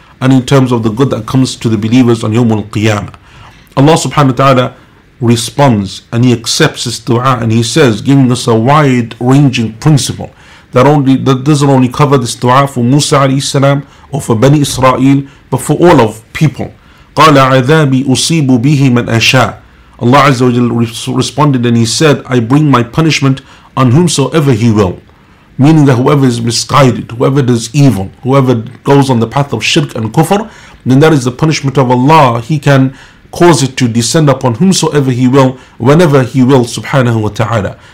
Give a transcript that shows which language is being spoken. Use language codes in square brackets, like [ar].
[en] And in terms of the good that comes to the believers on Yawm al-Qiyamah, Allah subhanahu wa ta'ala responds and he accepts this dua and he says, giving us a wide ranging principle that doesn't only cover this dua for Musa alayhi salam or for Bani Israel, but for all of people. [ar] قَالَ عَذَابِي أُصِيبُ بِهِ مَنْ أَشَاءُ. [en] Allah Azza wa Jalla responded and he said, I bring my punishment on whomsoever he will. meaning that whoever is misguided, whoever does evil, whoever goes on the path of shirk and kufr, then that is the punishment of Allah. He can cause it to descend upon whomsoever He will, whenever He will, subhanahu wa ta'ala.